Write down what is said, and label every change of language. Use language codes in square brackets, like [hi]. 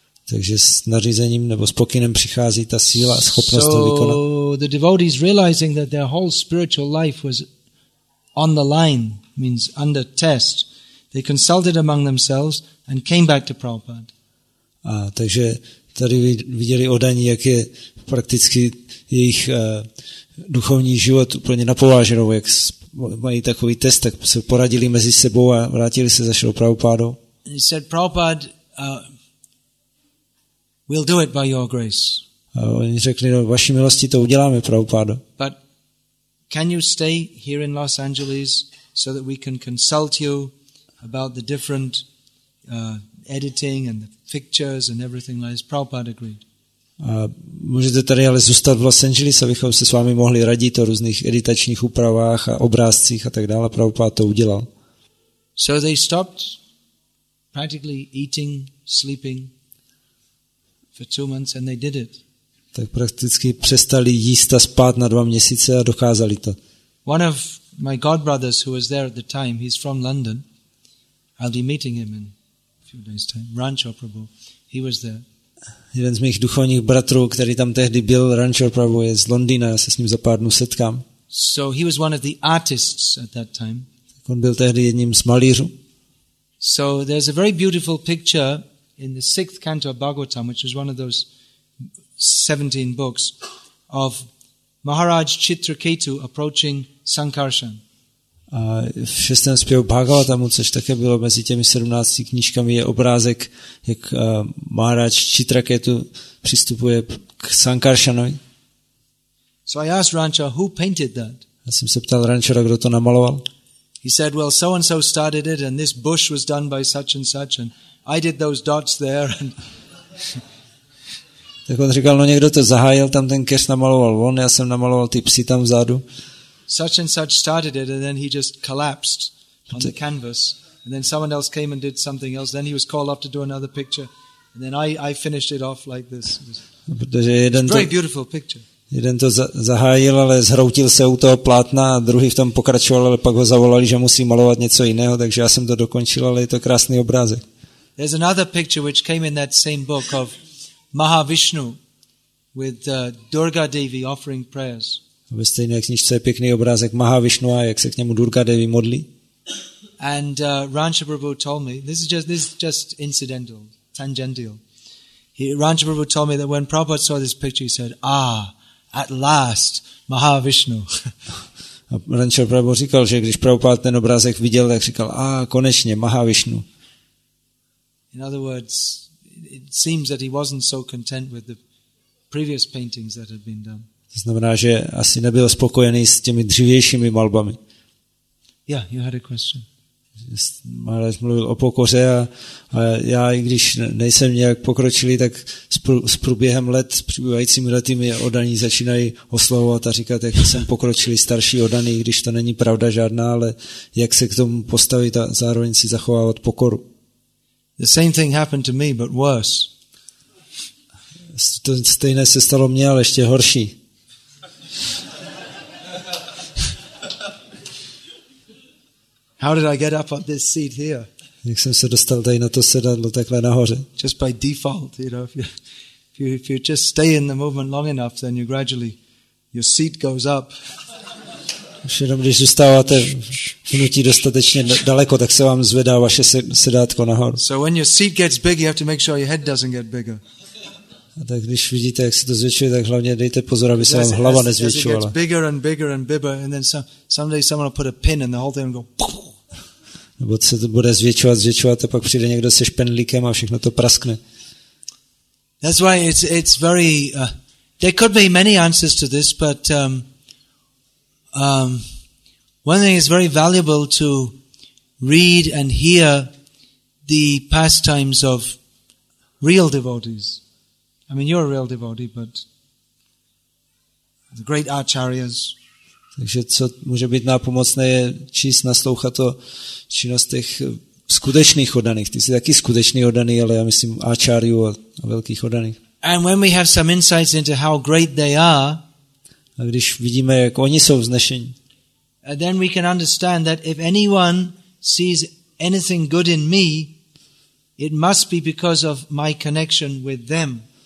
[cs] Takže s nařízením nebo s pokynem přichází ta síla, schopnost to vykonat. [en] So the devotees realizing that their whole spiritual life was on the line, means under test, they consulted among themselves and came back to Prabhupada. [cs] Takže tady viděli oddaní, jak je prakticky jejich duchovní život úplně napováženou, jak mají takový test, tak se poradili mezi sebou a vrátili se zase do Prabhupádu. [en] He said, Prabhupada, we'll do it by your grace. [cs] A oni řekli, no, vaší milosti to uděláme, Prabhupádo. [en] But can you stay here in Los Angeles so that we can consult you about the different editing and the pictures and everything like this? Prabhupada agreed. [cs] A můžete tady ale zůstat v Los Angeles, abychom se s vámi mohli radit o různých editačních úpravách a obrázcích a tak dále. Prabhupada to udělal. [en] So they stopped practically eating, sleeping for 2 months and they did it. [cs] Tak prakticky přestali jíst a spát na 2 měsíce a dokázali to. [en] One of my godbrothers who was there at the time, he's from London. I'll be meeting him in a few days time. Rancho Prabhu. He was there. [cs] Jeden z mých duchovních bratrů, který tam tehdy byl, Rancho Prabhu, je z Londýna, já se s ním za pár dnů setkám. [en] So he was one of the artists at that time. [cs] Tak on byl tehdy jedním z malířů. [en] So there's a very beautiful picture in the 6th canto of Bhagavatam, which is one of those 17 books, of Maharaj Chitraketu approaching Sankarsan. [cs] A v 6. zpěvu Bhagavatamu, což také bylo mezi těmi 17 knížkami, je obrázek, jak Maharaj Chitraketu přistupuje k Sankarsanovi. [en] So I asked Rancho, who painted that? [cs] Já jsem se ptal Rancho, kdo to namaloval. [en] He said, well, so and so started it, and this bush was done by such and such, and I did those dots there. [cs] Tak on říkal, no někdo to zahájil, tam ten keř namaloval on, já jsem namaloval ty psy tam vzadu. [en] Such and such started it and then he just collapsed on the canvas. And then someone else came and did something else. Then he was called up to do another picture. And then I finished it off like this. It's a very beautiful picture. [cs] Jeden to zahájil, ale zhroutil se u toho plátna a druhý v tom pokračoval, ale pak ho zavolali, že musí malovat něco jiného, takže já jsem to dokončil, ale je to krásný obrázek. [en] There's another picture which came in that same book of Mahavishnu with Durga Devi offering prayers. [cs] Ve stejné knižce je pěkný obrázek Mahavishnu a jak se k němu Durga Devi modlí. [en] And Rancho Prabhu told me, this is just incidental, tangential. Rancho Prabhu told me that when Prabhupada saw this picture, he said, ah, at last, Mahavishnu. [cs] A Rancho Prabhu říkal, že když Prabhupada ten obrázek viděl, tak říkal, ah, konečně, Mahavishnu. [en] In other words, it seems that he wasn't so content with the previous paintings that had been done. [cs] To znamená, že asi nebyl spokojený s těmi dřívějšími malbami. [en] Yeah, you had a question. [cs] Maharaj mluvil o pokoře a já, i když nejsem nějak pokročilý, tak s průběhem let, s přibývajícími lety, mi oddaní začínají oslovovat a říkat, jak jsem pokročilý starší oddaný, když to není pravda žádná, ale jak se k tomu postavit a zároveň si zachovávat pokoru. [en] The same thing happened to me, but worse. [cs] To stejné se stalo mně, ale ještě horší. [en] How did I get up on this seat here? [cs] Jak jsem se dostal tady na to sedadlo takhle nahoře? [en] Just by default, you know, if you just stay in the movement long enough, then you gradually your seat goes up. [cs] Už jenom, když zůstáváte hnutí dostatečně daleko, tak se vám zvedá vaše sedátko nahoru. [en] So when your seat gets big, you have to make sure your head doesn't get bigger. [cs] A tak když vidíte, jak se to zvětšuje, tak hlavně dejte pozor, aby se vám hlava nezvětšovala. [en] As it gets bigger and bigger and bigger, and then someday someone will put a pin in the whole thing and go. [cs] Nebo se to bude zvětšovat, a pak přijde někdo se špendlíkem a všechno to praskne. [en] That's why it's very. There could be many answers to this, but. One thing is very valuable to read and hear the pastimes of real devotees. I mean, you're a real devotee, but the great acharyas. [cs] Takže co může být nápomocné je číst, naslouchat o činnostech skutečných oddaných. Ty jsi taky skutečný oddaný, ale já myslím acharyů a velkých oddaných. [en] And when we have some insights into how great they are, [cs] a když vidíme, jak oni jsou vznešení, [en] then we can understand that if anyone sees anything good in me, it must be because of my connection with them.